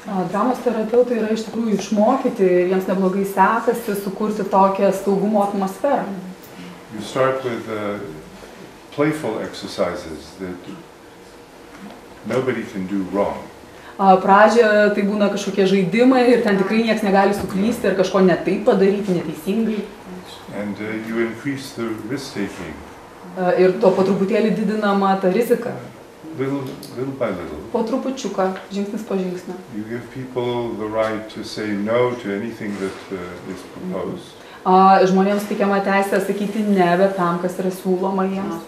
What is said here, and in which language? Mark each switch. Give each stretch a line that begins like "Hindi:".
Lithuanian: Dramos terapeutai yra iš tikrųjų išmokyti, jiems neblogai sekasi sukurti tokią saugumo atmosferą.
English: You start with playful exercises that nobody can do wrong.
Lithuanian: Pradžia tai būna kažkokie žaidimai ir ten tikrai niekas negali suklysti ar kažko ne taip padaryti, neteisingai.
English: And you increase the risk taking.
Lithuanian: Ir to po truputėlį didinama ta rizika.
English: Little by little.
Lithuanian: Po trupučiuką, žingsnis po žingsnio.
English: You give people the right to say no to anything that is proposed.
Lithuanian: Žmonėms teikiama teisė sakyti ne bet tam, kas yra siūloma jiems.